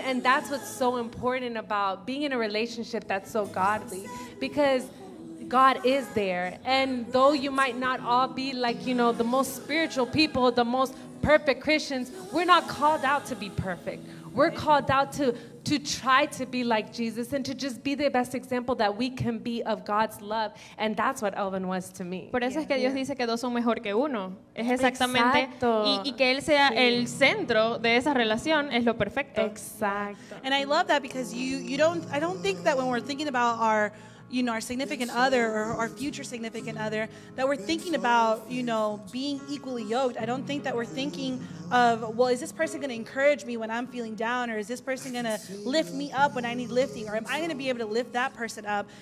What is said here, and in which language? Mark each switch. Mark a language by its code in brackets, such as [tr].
[en] And that's what's so important about being in a relationship that's so godly, because God is there. And though you might not all be like, you know, the most spiritual people, the most perfect Christians, we're not called out to be perfect. We're called out to try to be like Jesus and to just be the best example that we can be of God's love. And that's what Elvin was to me. [es] Por eso es que Dios dice que dos son mejor que uno. Es exactamente. Y que él sea el centro de esa relación es lo perfecto. Exacto. [en] And I love that because I don't think that when we're thinking about our significant other or our future significant other, that we're thinking about, you know, being equally yoked. I don't think that we're thinking of, well, is this person going to encourage me when I'm feeling down, or is this person going to lift me up when I need lifting, or am I going to be able to lift that person up?